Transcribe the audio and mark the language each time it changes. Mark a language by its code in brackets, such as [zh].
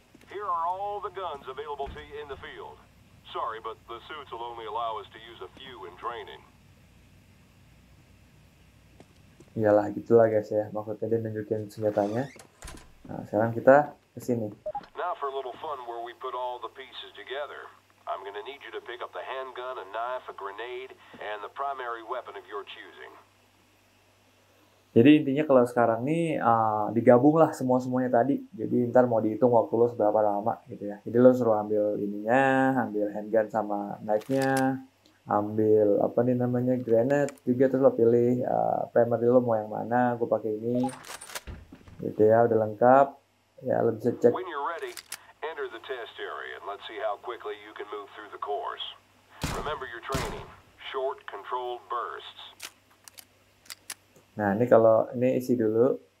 [en] Here are all the guns available to you in the field. Sorry, but the suits will only allow us to use a few in training. [id] Iyalah, gitulah guys ya. Maksudnya dia nunjukin senjatanya. Nah, sekarang kita ke sini. [en] Now for a little fun where we put all the pieces together. I'm gonna need you to pick up the handgun, a knife, a grenade, and the primary weapon of your choosing. [id] Jadi intinya kalau sekarang nih digabung lah semua-semuanya tadi. Jadi ntar mau dihitung waktu lo seberapa lama gitu ya. Jadi lo suruh ambil ininya, ambil handgun sama knife-nya, ambil apa nih namanya granat juga, terus lo pilih primary lo mau yang mana, gue pakai ini gitu ya, udah lengkap ya, lo bisa cek. [en] When you're ready, enter the test area and let's see how quickly you can move through the course. Remember your training, short controlled bursts. [id] Nah, ini kalau ini isi dulu.